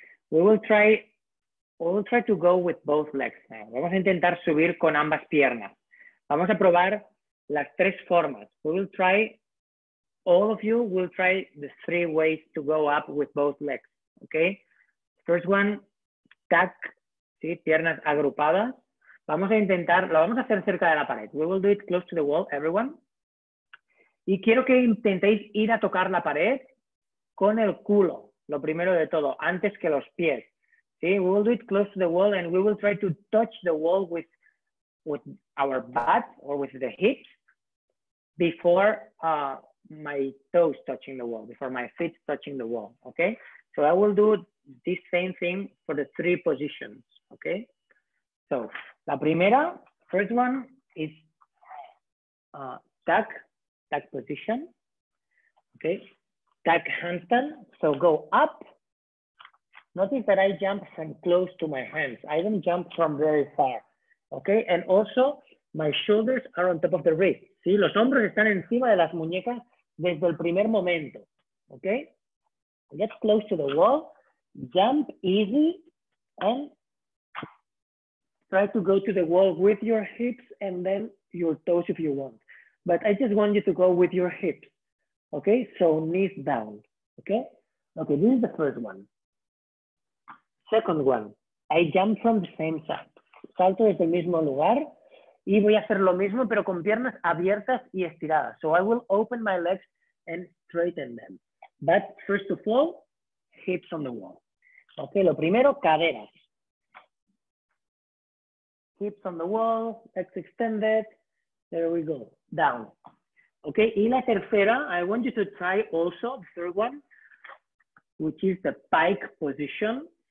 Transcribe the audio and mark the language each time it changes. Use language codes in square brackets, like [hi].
[en] We will try to go with both legs now. [es] Vamos a intentar subir con ambas piernas. Vamos a probar las tres formas. [en] All of you will try the three ways to go up with both legs, okay? First one, tuck, ¿sí? [es] Piernas agrupadas. Vamos a intentar, lo vamos a hacer cerca de la pared. [en] We will do it close to the wall, everyone. [es] Y quiero que intentéis ir a tocar la pared con el culo, lo primero de todo, antes que los pies, ¿sí? [en] We will do it close to the wall and we will try to touch the wall with our butt or with the hips before... my toes touching the wall, before my feet touching the wall, okay? So I will do this same thing for the three positions, okay? So, [es] la primera, [en] first one is tuck position, okay? Tuck handstand, so go up. Notice that I jump from close to my hands. I don't jump from very far, okay? And also, my shoulders are on top of the wrist. [es] ¿Sí? Los hombros están encima de las muñecas desde el primer momento, okay? [en] Get close to the wall, jump easy, and try to go to the wall with your hips and then your toes if you want. But I just want you to go with your hips, okay? So knees down, okay? Okay, this is the first one. Second one, I jump from the same side. [es] Salto desde el mismo lugar. Y voy a hacer lo mismo, pero con piernas abiertas y estiradas. [en] So I will open my legs and straighten them. But first of all, hips on the wall. [es] Okay, lo primero, caderas. [en] Hips on the wall, legs extended. There we go, down. Okay, [es] y la tercera, [en] I want you to try also, the third one, which is the pike position.